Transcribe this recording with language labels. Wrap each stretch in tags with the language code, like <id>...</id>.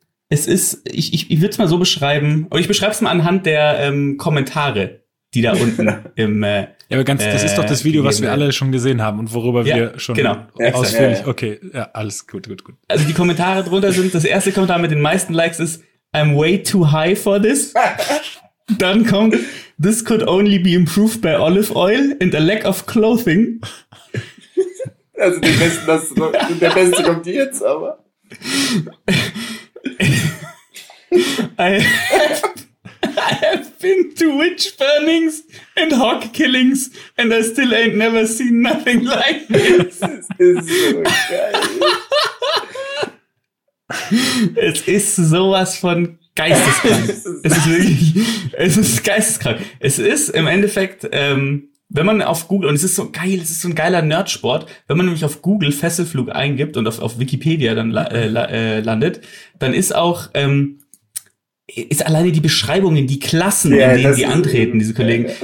<de>Ich würde es mal so beschreiben, oder ich beschreibe es mal anhand der Kommentare, die da unten im Das ist doch das Video, was wir alle schon gesehen haben und worüber wir schon ausführlich. Okay, alles gut. Also die Kommentare drunter sind, das erste Kommentar mit den meisten Likes ist,</de> <en>I'm way too high for this.</en> <de>Dann kommt,</de> <en>this could only be improved by olive oil and a lack of clothing.</en> <de>Also der Beste kommt jetzt, aber...</de> <en>I have been to witch burnings and hog killings and I still ain't never seen nothing like this.</en> <de>Es ist so geil. Es ist sowas von geisteskrank. Es ist geisteskrank. Es ist im Endeffekt, wenn man auf Google, und es ist so geil, es ist so ein geiler Nerdsport, wenn man nämlich auf Google Fesselflug eingibt und auf Wikipedia dann landet, dann ist auch, ist alleine die Beschreibungen, die Klassen, in denen die antreten, diese Kollegen.</de>